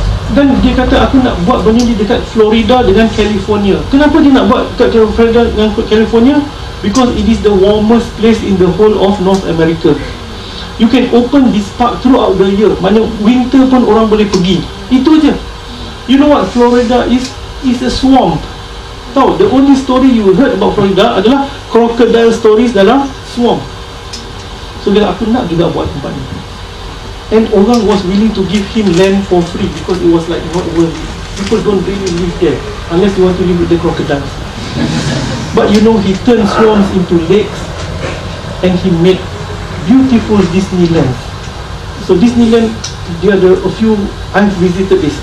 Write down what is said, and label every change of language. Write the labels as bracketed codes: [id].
[ms] Dan dia kata, aku nak buat benda ni dekat Florida dengan California. Kenapa dia nak buat dekat Florida dengan California? [en] Because it is the warmest place in the whole of North America. You can open this park throughout the year. [ms] Mana winter pun orang boleh pergi. Itu je. [en] You know what Florida is? It's a swamp. [ms] Tahu, [en] the only story you heard about Florida [ms] adalah [en] crocodile stories [ms] dalam [en] swamp. [ms] So dia, aku nak juga buat tempat ni. [en] And [ms] orang [en] was willing to give him land for free because it was like not worth it. People don't really live there unless you want to live with the crocodiles. But you know, he turned swamps into lakes and he made beautiful Disneyland. So Disneyland, there are a few, I've visited this.